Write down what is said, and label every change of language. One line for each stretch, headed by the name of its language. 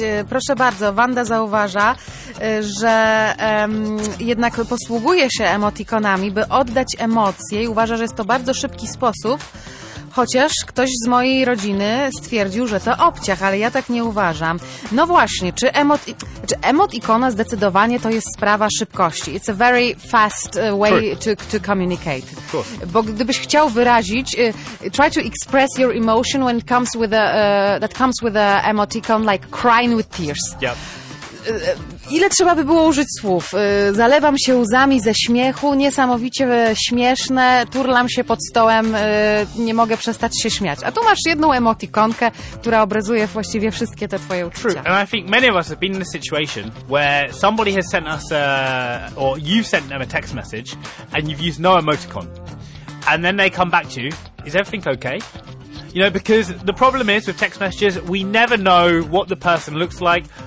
Polish: Proszę bardzo, Wanda zauważa, że jednak posługuje się emotikonami, by oddać emocje i uważa, że jest to bardzo szybki sposób, chociaż ktoś z mojej rodziny stwierdził, że to obciach, ale ja tak nie uważam. No właśnie, czy emotikona zdecydowanie to jest sprawa szybkości?
English: It's a very fast way to communicate.
Polish: Bo gdybyś chciał wyrazić,
English: try to express your emotion when it comes with an emoticon, like crying with tears. Yep.
Polish: Ile trzeba by było użyć słów? Zalewam się łzami ze śmiechu, niesamowicie śmieszne, turlam się pod stołem, nie mogę przestać się śmiać. A tu masz jedną emotikonkę, która obrazuje właściwie wszystkie te twoje uczucia.
English: True. And I think many of us have been in a situation where somebody has sent us or you've sent them a text message and you've used no emoticon. And then they come back to you, is everything okay? You know, because the problem is with text messages, we never know what the person looks like.